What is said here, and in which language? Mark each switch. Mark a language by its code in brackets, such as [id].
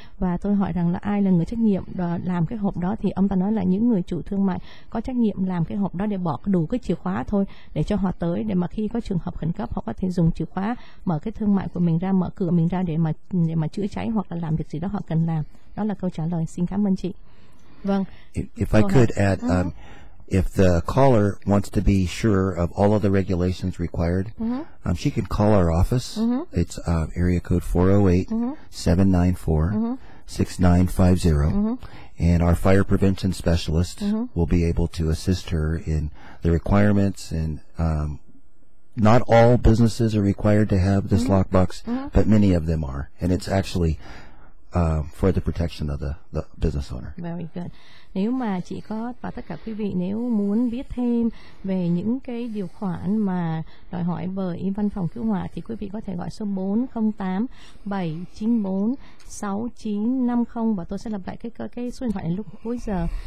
[vi] Và tôi hỏi rằng là ai là người trách nhiệm làm cái hộp đó, thì ông ta nói là những người chủ thương mại có trách nhiệm làm cái hộp đó để bỏ đủ cái chìa khóa thôi, để cho họ tới, để mà khi có trường hợp khẩn cấp họ có thể dùng chìa khóa mở cái thương mại của mình ra, mở cửa mình ra để mà chữa cháy hoặc là làm việc gì đó họ cần làm. Đó là câu trả lời. Xin cảm ơn chị. Vâng. [en] If I could add, if the caller wants to be sure of all of the regulations required, she can call our office. It's area code 408-794-7900. 6950. Mm-hmm. And our fire prevention specialist mm-hmm. will be able to assist her in the requirements. And not all businesses are required to have this mm-hmm. lockbox, mm-hmm. but many of them are. And it's actually for the protection of the business owner. Very good. [vi] Nếu mà chị có và tất cả quý vị nếu muốn biết thêm về những cái điều khoản mà đòi hỏi bởi văn phòng cứu hỏa thì quý vị có thể gọi số 408-794-6950 và tôi sẽ lập lại cái số điện thoại này lúc cuối giờ.